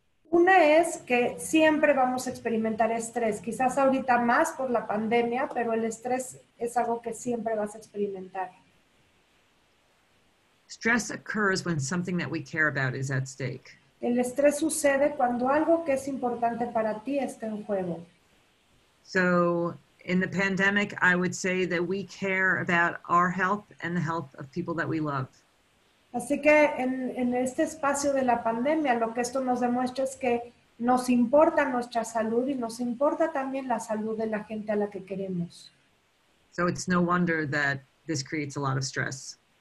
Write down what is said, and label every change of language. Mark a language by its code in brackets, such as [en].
[es] Una es que siempre vamos a experimentar estrés, quizás ahorita más por la pandemia, pero el estrés es algo que siempre vas a experimentar. [en] Stress occurs when something that we care about is at stake. [es] El estrés sucede cuando algo que es importante para ti está en juego. [en] So In the pandemic, I would say that we care about our health and the health of people that we love. [es] Así que en este espacio de la pandemia, lo que esto nos demuestra es que nos importa nuestra salud y nos importa también la salud de la gente a la que queremos. [en] So it's no wonder that this creates a lot of stress.